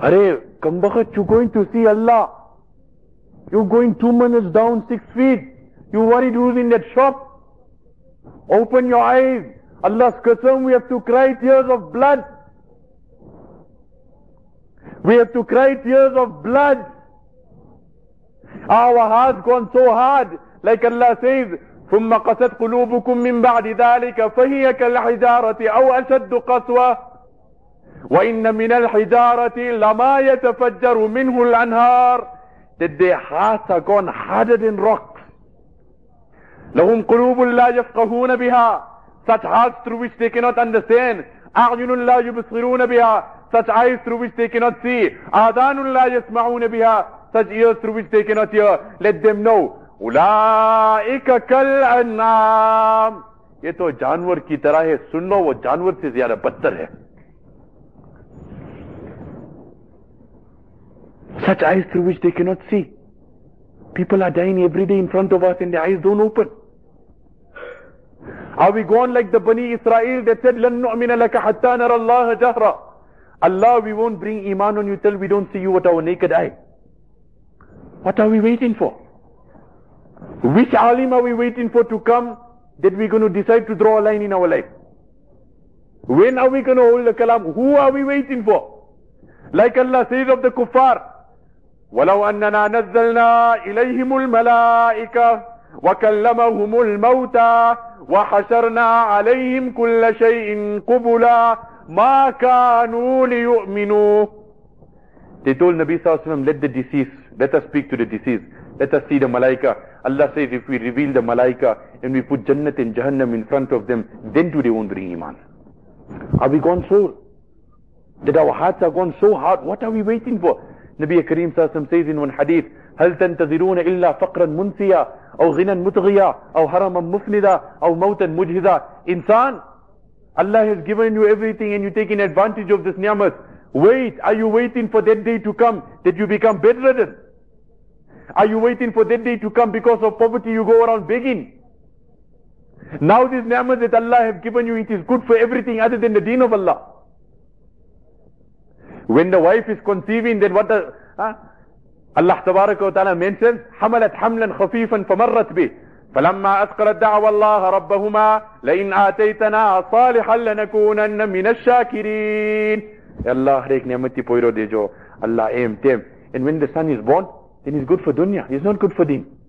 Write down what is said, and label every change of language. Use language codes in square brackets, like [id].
[en] Are, kambakat, you going to see Allah? You're going 2 minutes down 6 feet. You worried who's in that shop? Open your eyes. Allah's qasam, we have to cry tears of blood. We have to cry tears of blood. Our hearts gone so hard. Like Allah says, [ar] ثُمَّ قَسَتْ قُلُوبُكُمْ مِنْ بَعْدِ ذَلِكَ فَهِيَ كَالْحِجَارَةِ أَوْ أَشَدُّ قَسْوَةِ وَإِنَّ مِنَ الْحِجَارَةِ لَمَا يَتَفَجَّرُ مِنْهُ الْأَنْهَارِ. [en] That their hearts are gone harder than rocks. [ar] لَهُمْ قُلُوبٌ لَا يَفْقَهُونَ بِهَا. [en] Such hearts through which they cannot understand. [ar] أَعْيُنٌ لَا يُبْصِرُونَ بِهَا. [en] Such eyes through which they cannot see. [ar] أَذَانٌ لَا يَسْمَعُونَ بِهَا. [en] Such ears through which they cannot hear. Let them know. [ar] أُولَٰئِكَ كَالْأَنْعَامِ. [ur] یہ تو جانور کی طرح ہے. سن لو, وہ جانور سے زیادہ بدتر ہے. [en] Such eyes through which they cannot see. People are dying every day in front of us and their eyes don't open. Are we gone like the Bani Israel that said, [ar] لَن نُؤْمِنَ لَكَ حَتَّى نَرَ اللَّهَ جَهْرَ. [en] Allah, we won't bring iman on you till we don't see you with our naked eye. What are we waiting for? Which alim are we waiting for to come that we're going to decide to draw a line in our life? When are we going to hold the kalam? Who are we waiting for? Like Allah says of the kuffar, [ar] وَلَوْ أَنَّنَا نَزَّلْنَا إِلَيْهِمُ الْمَلَائِكَةِ وَكَلَّمَهُمُ الْمَوْتَى وَحَشَرْنَا عَلَيْهِمْ كُلَّ شَيْءٍ قُبُلًا مَا كَانُوا لِيُؤْمِنُوا. [en] They told Nabi Sallallahu Alaihi Wasallam, let the deceased, let us speak to the deceased, let us see the malaika. Allah says, if we reveal the malaika and we put Jannat and Jahannam in front of them, then do they won't bring iman. Are we gone so, that our hearts are gone so hard, what are we waiting for? Nabi Kareem Sallallahu Alaihi Wasallam says in one hadith, [ar] هَلْ تَنْتَظِرُونَ إِلَّا فَقْرًا مُنْسِيًا. او غنى متغيا او حرما مفندا او موتا مجهدا. [en] Insan, Allah has given you everything and you're taking advantage of this ni'mat. Wait, are you waiting for that day to come that you become bedridden? Are you waiting for that day to come because of poverty you go around begging? Now this ni'mat that Allah have given you, it is good for everything other than the deen of Allah. When the wife is conceiving, then what the... Allah tabaraka wa ta'ala mentions, [ar] حَمَلَتْ حَمْلًا خَفِيفًا فَمَرَّتْ بِهِ فَلَمَّا أَثْقَلَتْ دَعَوَ اللَّهَ رَبَّهُمَا لَإِنْ آتَيْتَنَا صَالِحًا لَنَكُونَنَّ مِنَ الشَّاكِرِينَ. Allah rek ni'mati poiro dejo. Allah aim tem. [en] And when the son is born, then he's good for dunya. He's not good for deen.